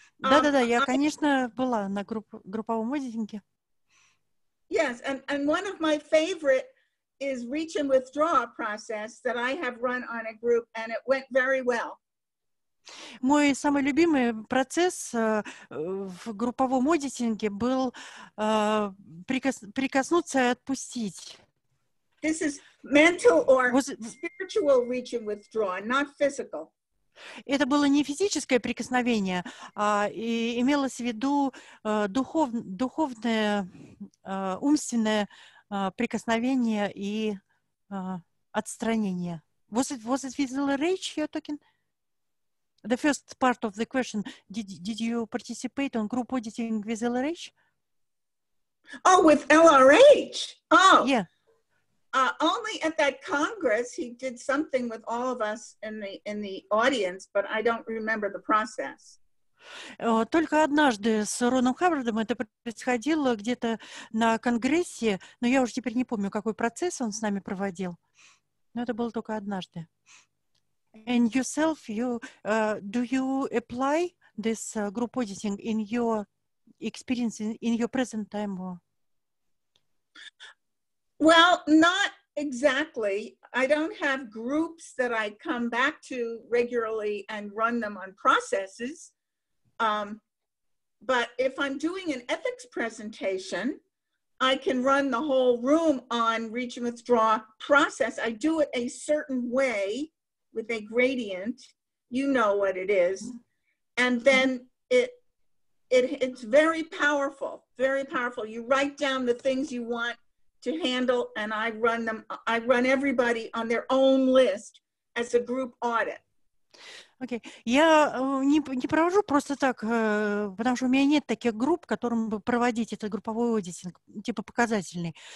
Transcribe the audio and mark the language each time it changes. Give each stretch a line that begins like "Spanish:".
Russian: Я, конечно, была на групповом аудитинге.
English: Yes, and one of my favorite is reach and withdraw process that I have run on a group, and it went very well.
Russian: Мой самый любимый процесс в групповом аудитинге был прикоснуться и отпустить.
English: This is mental or spiritual reach and withdraw, not physical.
Russian: Это было не физическое прикосновение, а и имелось в виду духовное, умственное прикосновение и отстранение.
English: Was it physical reach you're talking? The first part of the question, did you participate on group auditing with LRH? Oh, with LRH? Oh. Yeah. Only at that Congress, he did something with all of us in the audience, but I don't remember the process.
Russian: Только однажды с Роном Хаббардом это происходило где-то на Конгрессе, но я уже теперь не помню, какой процесс он с нами проводил. Но это было только однажды.
English: And yourself, do you apply this group auditing in your experience, in your present time? Or? Well, not exactly. I don't have groups that I come back to regularly and run them on processes. But if I'm doing an ethics presentation, I can run the whole room on reach and withdraw process. I do it a certain way with a gradient, you know what it is. And then it's very powerful, very powerful. You write down the things you want to handle and I run them, I run everybody on their own list as a group audit. Окей, okay.
Russian: Я не провожу просто так, потому что у меня нет таких групп, которым бы проводить этот групповой аудитинг, типа показательный.